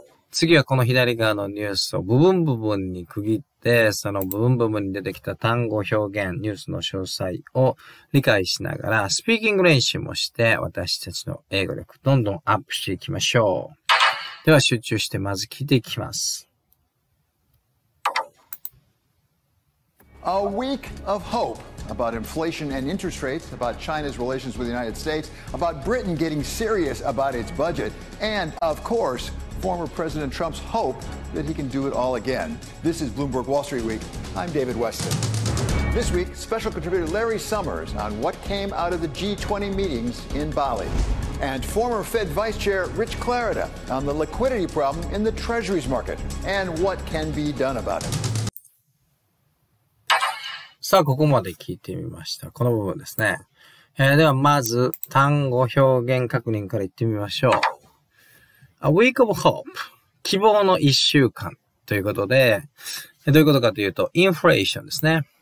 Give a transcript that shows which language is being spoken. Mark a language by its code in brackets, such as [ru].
[ja] 次はこの左側のニュースを部分部分に区切って、その部分部分に出てきた単語表現、ニュースの詳細を理解しながら、スピーキング練習もして、私たちの英語力どんどんアップしていきましょう。では集中してまず聞いていきます。 [en] A week of hope about inflation and interest rates, about China's relations with the United States, about Britain getting serious about its budget, and of course, former President Trump's hope that he can do it all again. This is Bloomberg Wall Street Week. I'm David Westin. This week, special contributor Larry Summers on what came out of the G20 meetings in Bali. And former Fed Vice Chair Rich Clarida on the liquidity problem in the Treasuries market and what can be done about it. [ja] さあ、ここまで聞いてみました。この部分ですね。では、まず、単語表現確認から言ってみましょう。 [en] A week of hope. [ja] 希望の一週間ということで、どういうことかというと、インフレーションですね。